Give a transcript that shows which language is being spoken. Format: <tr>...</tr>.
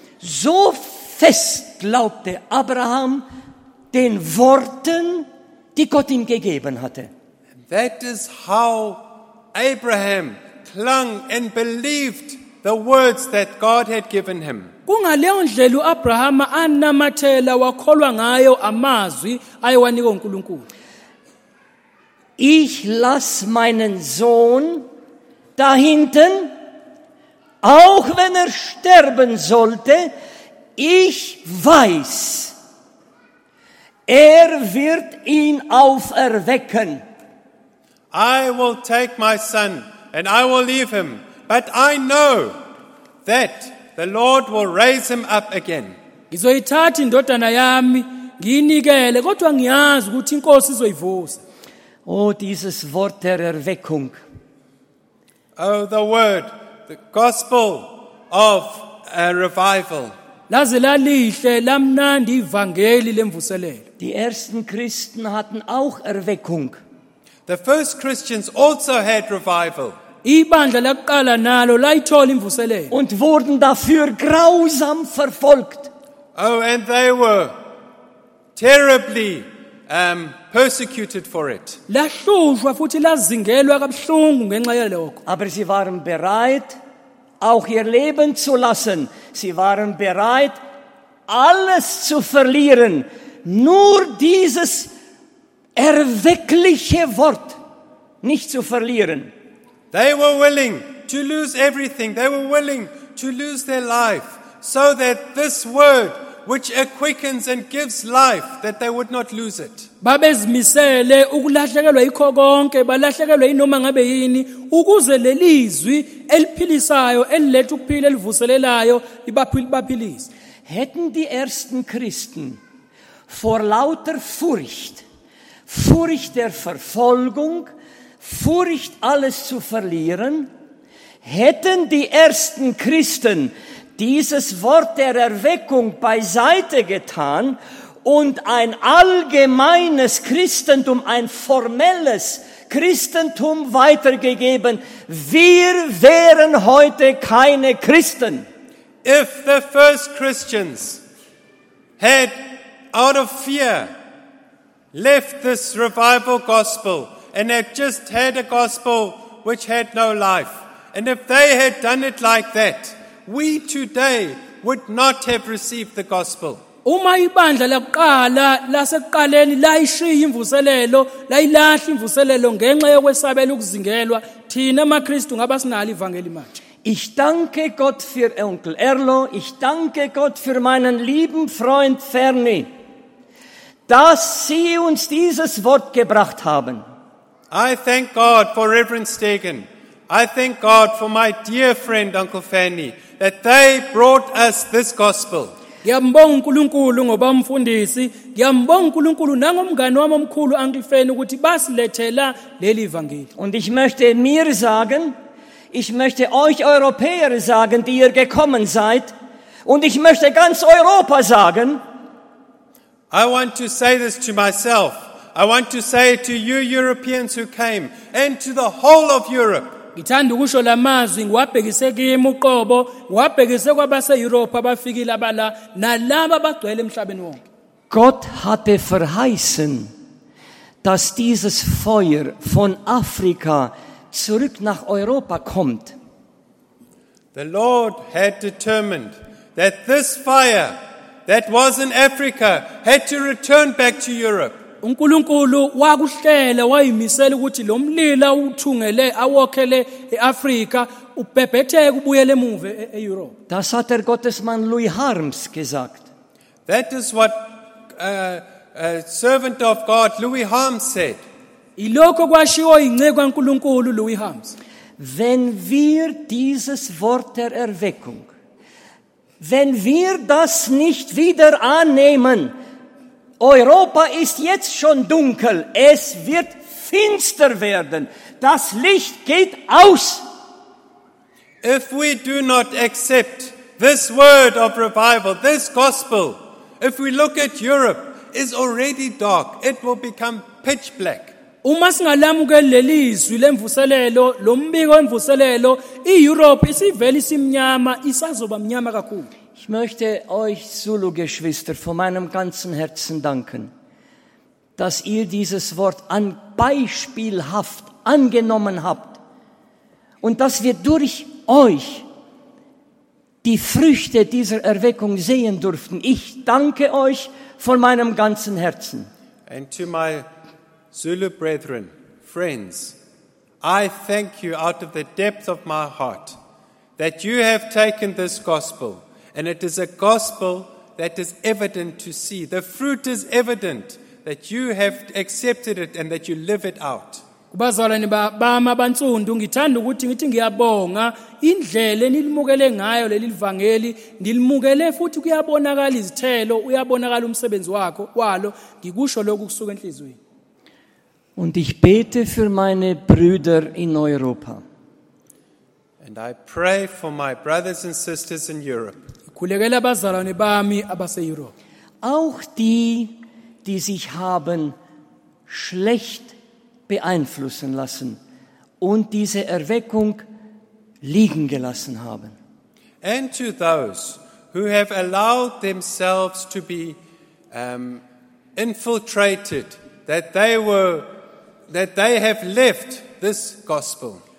<de>So fest glaubte Abraham den Worten, die Gott ihm gegeben hatte.</de> <en>That is how Abraham clung and believed the words that God had given him.</en> <zu>Kungaleyo ndlela uAbraham anamathela wakholwa ngayo amazwi ayewanika uNkulunkulu.</zu> <de>Ich lass meinen Sohn da hinten, auch wenn sterben sollte, ich weiß, wird ihn auferwecken.</de> <en>I will take my son and I will leave him, but I know that the Lord will raise him up again.</en> <zu>Ngizoyithatha indodana yami nginikele, kodwa ngiyazi ukuthi iNkosi izoyivusa.</zu> <de>Oh, dieses Wort der Erweckung.</de> <en>Oh, the word, the gospel of a revival.</en> <zu>Lazelali hle lamnandi ivangeli lemvuselelo.</zu> <de>Die ersten Christen hatten auch Erweckung.</de> <en>The first Christians also had revival.</en> <zu>Ibandla laqala nalo layithola imvuselelo.</zu> <de>Und wurden dafür grausam verfolgt.</de> <en>Oh, and they were terribly persecuted for it.</en> <zu>Lahlushwa futhi lazingelwa kabhlungu ngenxa yalokho.</zu> <de>Aber sie waren bereit, auch ihr Leben zu lassen. Sie waren bereit, alles zu verlieren, nur dieses erweckliche Wort nicht zu verlieren.</de> <en>They were willing to lose everything. They were willing to lose their life so that this word which quickens and gives life, that they would not lose it.</en> <zu>Babezimisele ukulahlekelwa yikho konke, balahlekelwa inoma ngabe yini, ukuze lelizwi eliphilisayo elilethe ukuphila elivuselelayo libaphilise.</zu> <de>Hätten die ersten Christen vor lauter Furcht, Furcht der Verfolgung, Furcht alles zu verlieren, hätten die ersten Christen dieses Wort der Erweckung beiseite getan und ein allgemeines Christentum, ein formelles Christentum weitergegeben, wir wären heute keine Christen.</de> <en>If the first Christians had out of fear left this revival gospel and had just had a gospel which had no life, and if they had done it like that, we today would not have received the gospel.</en> <zu>Uma ibandla laqala laseqaleni layishiya imvuselelo, layilahla imvuselelo ngenxa yokwesabela ukuzingelwa, thina amaKristu ngaba sinalo ivangeli manje.</zu> <de>Ich danke Gott für Onkel Erlo, ich danke Gott für meinen lieben Freund Ferni, dass sie uns dieses Wort gebracht haben.</de> <en>I thank God for Reverend Stegen. I thank God for my dear friend Uncle Fanny, that they brought us this gospel.</en> <zu>Ngiyambonga uNkulunkulu ngoba umfundisi, ngiyambonga uNkulunkulu nangomngane wami omkhulu Uncle Fanny ukuthi basilethela leli evangeli.</zu> <de>Und ich möchte mir sagen, ich möchte euch Europäer sagen, die ihr gekommen seid, und ich möchte ganz Europa sagen,</de> <en>I want to say this to myself. I want to say it to you Europeans who came and to the whole of Europe.</en> <zu>Ngithanda ukusho lamazwi ngiwabhekise kimi uqobo, ngiwabhekise kwabaseYurophu abafikile abala nalabo abagcwele emhlabeni wonke.</zu> <de>Gott hatte verheißen, dass dieses Feuer von Afrika zurück nach Europa kommt.</de> <en>The Lord had determined that this fire that was in Africa had to return back to Europe.</en> <zu>UNkulunkulu wakuhlela wayimisela ukuthi lo mlila uthungele awokhele eAfrika ubebhetheke ubuyele emuve eEurope.</zu> <de>Das hat der Gottesmann Louis Harms gesagt.</de> <en>That is what a servant of God Louis Harms said.</en> <zu>Ilokho kwashiwo incekwa uNkulunkulu Louis Harms.</zu> <de>Wenn wir dieses Wort der Erweckung, wenn wir das nicht wieder annehmen, Europa ist jetzt schon dunkel. Es wird finster werden. Das Licht geht aus.</de> <en>If we do not accept this word of revival, this gospel, if we look at Europe, it's already dark. It will become pitch black.</en> <zu>Uma singalamukeli lelizwi lemvuselelo, lombiko wemvuselelo, iEurope isivele isimnyama, isazoba mnyama kakhulu.</zu> <de>Ich möchte euch Zulu-Geschwister von meinem ganzen Herzen danken, dass ihr dieses Wort an beispielhaft angenommen habt und dass wir durch euch die Früchte dieser Erweckung sehen durften. Ich danke euch von meinem ganzen Herzen.</de> <en>And to my Zulu-Brethren, friends, I thank you out of the depth of my heart that you have taken this gospel. And it is a gospel that is evident to see. The fruit is evident that you have accepted it and that you live it out.</en> <zu>Kubazalwane bami abantsundu, ngithanda ukuthi ngithi ngiyabonga indlela enilimukele ngayo leli livangeli, nilimukele futhi kuyabonakala izithelo, uyabonakala umsebenzi wakho walo, ngikusho lokhu kusuka enhlizweni.</zu> <de>Und ich bete für meine Brüder in Europa.</de> <en>And I pray for my brothers and sisters in Europe.</en> <zu>Ikhulekela bazalwane bami abase Europe.</zu> <de>Auch die, die sich haben schlecht beeinflussen lassen und diese Erweckung liegen gelassen haben.</de> <en>And to those who have allowed themselves to be infiltrated, that they have left this gospel.</en>